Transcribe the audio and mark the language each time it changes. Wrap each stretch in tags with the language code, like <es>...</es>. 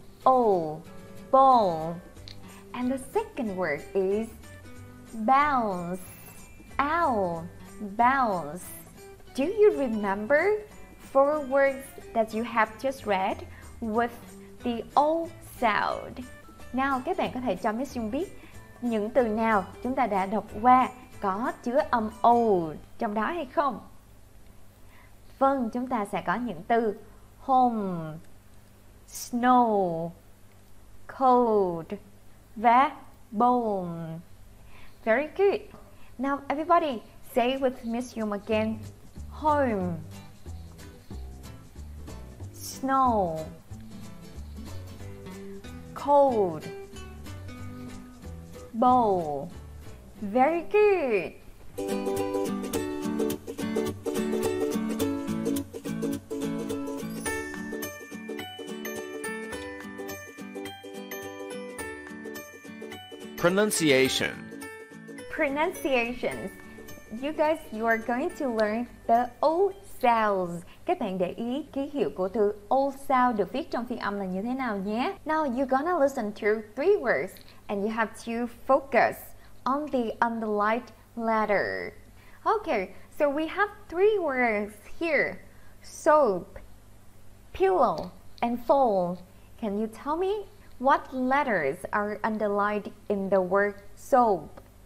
<en>Oh, bowl. And the second word is bounce. Owl, bounce. Do you remember four words that you have just read with the O sound?</en> <vi>Now, các bạn có thể cho Miss Jung biết những từ nào chúng ta đã đọc qua có chứa âm O trong đó hay không? Vâng, chúng ta sẽ có những từ home, snow, cold và bone.</vi> <en>Very good. Now everybody say with Miss Yum again. Home, snow, cold, bone. Very good. Pronunciation. Pronunciations. You guys, you are going to learn the O sounds.</en> <vi>Các bạn để ý ký hiệu của từ O sound được viết trong phiên âm là như thế nào nhé.</vi> <en>Now you're gonna listen to three words and you have to focus on the underlined letter. Okay, so we have three words here. Soap, pillow, and fall. Can you tell me what letters are underlined in the word soap?</en>